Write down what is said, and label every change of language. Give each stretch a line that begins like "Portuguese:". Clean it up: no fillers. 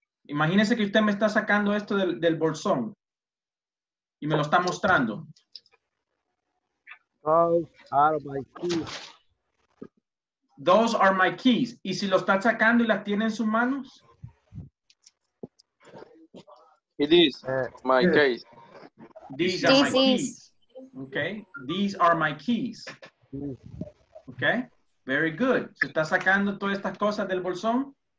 Spanish: Imagínese que usted me está sacando esto del bolsón y me lo está mostrando.
English: Those are my keys. Those are my keys.
Spanish: Y si lo está sacando y las tiene en sus manos.
English: It is my keys. These are my keys. Okay. These are my keys. Okay. Very good.
Spanish: ¿Se está sacando todas estas cosas del bolsón?